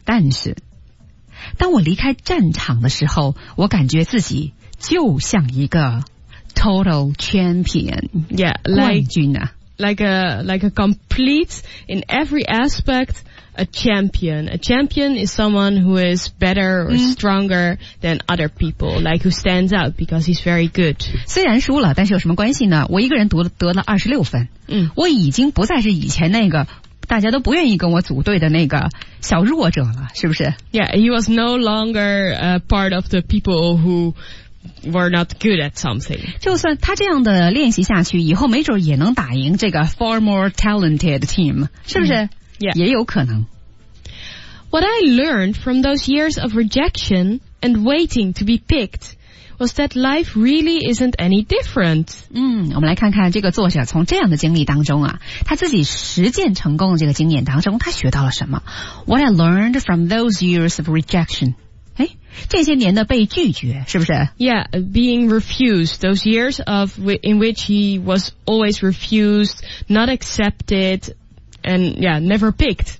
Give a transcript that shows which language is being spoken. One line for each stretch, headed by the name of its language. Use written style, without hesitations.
Chinese: 但是当我离开战场的时候，我感觉自己就像一个
English: total champion. Yeah, like,
Chinese: 冠军啊。
English: Like a complete in every aspect a champion. A champion is someone who is better or stronger than other people, like who stands out because he's very good.
Chinese: 虽然输了，但是有什么关系呢？我一个人得了26分。嗯，我已经不再是以前那个大家都不愿意跟我组队的那个小弱者了，是不是？
English: Yeah, he was no longer a part of the people who were not good at something.
Chinese: 就算他这样的练习下去，以后没准也能打赢这个
English: far more talented team,
Chinese: 是不是？
English: Yeah.
Chinese: 也有可能。
English: What I learned from those years of rejection and waiting to be picked was that life really isn't any different.
Chinese: 嗯，我们来看看这个作者从这样的经历当中啊，他自己实践成功的这个经验当中，他学到了什么？
English: What I learned from those years of rejection.
Chinese: 这些年的被拒绝，是不是？
English: Yeah, being refused. Those years of in which he was always refused, not accepted, and yeah, never picked.